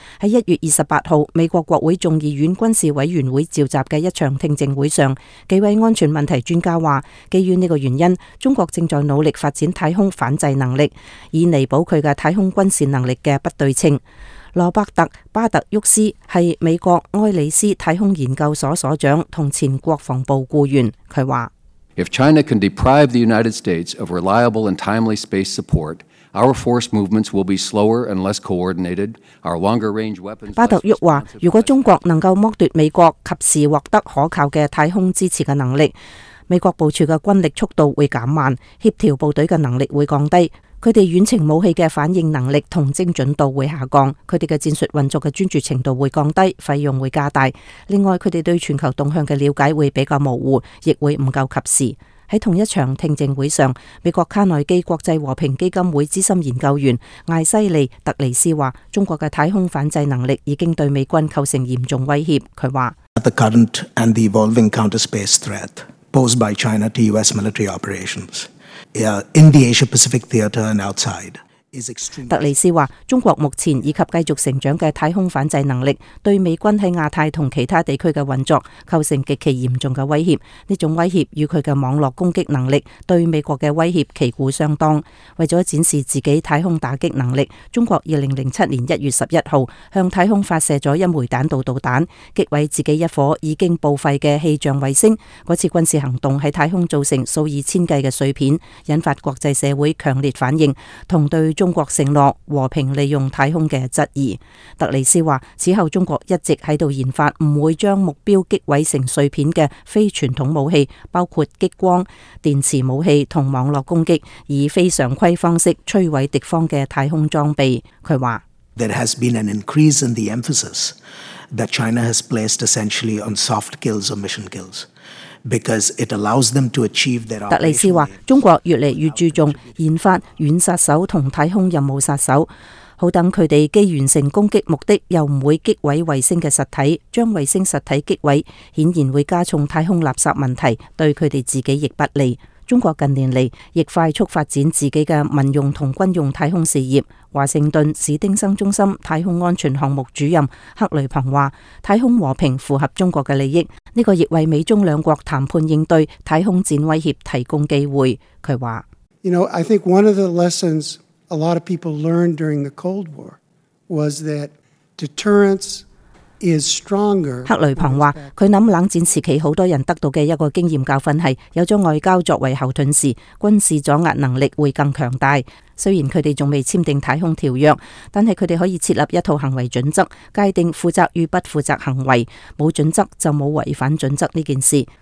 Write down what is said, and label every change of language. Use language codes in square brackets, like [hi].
[zh] 在1月28日美国国会众议院军事委员会召集的一场听证会上，几位安全问题专家说，基于这个原因，中国正在努力发展太空反制能力，以弥补它的太空军事能力的不对称。罗伯特·巴特沃斯是美国埃里斯太空研究所所长和前国防部雇员，他说， [en] If China can deprive the United States of reliable and timely space support, our force movements will be slower and less coordinated. Our longer range weapons. [zh] 巴特沃话：如果中国能够剥夺美国及时获得可靠的太空支持的能力，美国部署的军力速度会减慢，协调部队的能力会降低，他们远程武器的反应能力和精准度会下降，他们的战术运作的专注程度会降低，费用会加大。另外，他们对全球动向的了解会比较模糊，亦会不够及时。在同一场听证会上，美国卡内基国际和平基金会资深研究员艾西利特尼斯说，中国的太空反制能力已经对美军构成严重威胁。他说， [en] The current and the evolving counter-space threat posed by China to US military operations. In the Asia-Pacific theater and outside, [zh] 特里斯说，中国目前以及继续成长的太空反制能力对美军在亚太和其他地区的运作构成极其严重的威胁，这种威胁与他的网络攻击能力对美国的威胁旗鼓相当。为了展示自己太空打击能力，中国2007年1月11号向太空发射了一枚弹道导弹，击毁自己一颗已经报废的气象卫星。那次军事行动在太空造成数以千计的碎片，引发国际社会强烈反应和对中国承诺和平利用太空的质疑。特里斯说，此后中国一直在研发不会将目标击毁成碎片的非传统武器，包括激光、电磁武器和网络攻击，以非常规方式摧毁敌方的太空装备。他说， [en] There has been an increase in the emphasis that China has placed essentially on soft kills or mission kills. Because it allows them to achieve their operational needs. [zh] 特里斯说，中国越来越注重研发远杀手和太空任务杀手，好等他们既完成攻击目的又不会击毁卫星的实体，将卫星实体击毁显然会加重太空垃圾问题，对他们自己亦不利。中国近年来亦快速发展自己的民用和军用太空事业。华盛顿史丁生中心太空安全项目主任克雷鹏说，太空和平符合中国的利益，这个亦为美中两国谈判应对太空战威胁提供机会。他说， [en] You know, I think one of the lessons a lot of people learned during the Cold War was that deterrence is stronger. [zh] 克雷鹏说，他想冷战时期很多人得到的一个经验教训是，有了外交作为后盾时，军事阻压能力会更强大。虽然他们还未签订太空条约，但是他们可以设立一套行为准则，界定负责与不负责行为，没有准则就没有违反准则这件事。